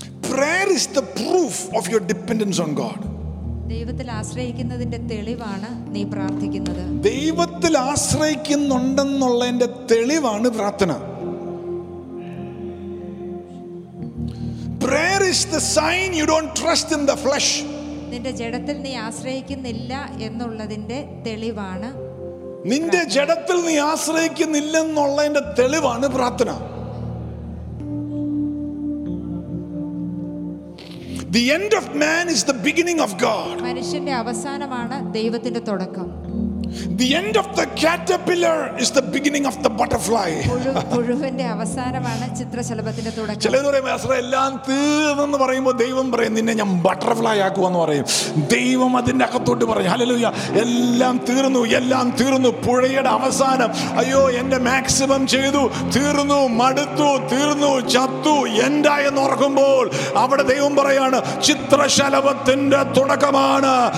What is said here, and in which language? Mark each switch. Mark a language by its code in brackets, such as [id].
[en] Prayer is the proof of your dependence on God. [ml] ദൈവത്തിൽ ആശ്രയിക്കുന്നതിന്റെ തെളിവാണ് നീ പ്രാർത്ഥിക്കുന്നത്. ദൈവത്തിൽ ആശ്രയിക്കുന്നുണ്ടെന്നുള്ളതിന്റെ തെളിവാണ് പ്രാർത്ഥന. [en] Prayer is the sign you don't trust in the flesh. [ml] നിന്റെ ജഡത്തിൽ നീ ആശ്രയിക്കുന്നില്ല എന്നുള്ളതിന്റെ തെളിവാണ്. നിന്റെ ജഡത്തിൽ നീ ആശ്രയിക്കുന്നില്ല എന്നുള്ളതിന്റെ തെളിവാണ് പ്രാർത്ഥന. [en] The end of man is the beginning of God. [ml] മനുഷ്യന്റെ അവസാനമാണ് ദൈവത്തിന്റെ തുടക്കം. [en] The end of the caterpillar is the beginning of the butterfly. [ml] പുഴുവിന്റെ അവസാനമാണ് ചിത്രശലഭത്തിന്റെ തുടക്കം. ചിലർ പറയും അസ്ര എല്ലാം തീർന്നെന്ന് പറയുമ്പോൾ ദൈവം പറയും നിന്നെ ഞാൻ ബട്ടർഫ്ലൈ ആക്കുമെന്ന് പറയും. ദൈവം അതിന്റെ അകത്തോട്ട് പറയും, ഹല്ലേലൂയ, എല്ലാം തീർന്നു, എല്ലാം തീർന്നു. പുഴയുടെ അവസാനം, അയ്യോ എന്റെ മാക്സിമം ചെയ്തു, തീർന്നു, മടുത്തു, തീർന്നു, ചത്തു, എന്തായെന്ന് ഓർക്കുമ്പോൾ അവിടെ ദൈവം പറയാണ് ചിത്രശലഭത്തിന്റെ തുടക്കമാണ്.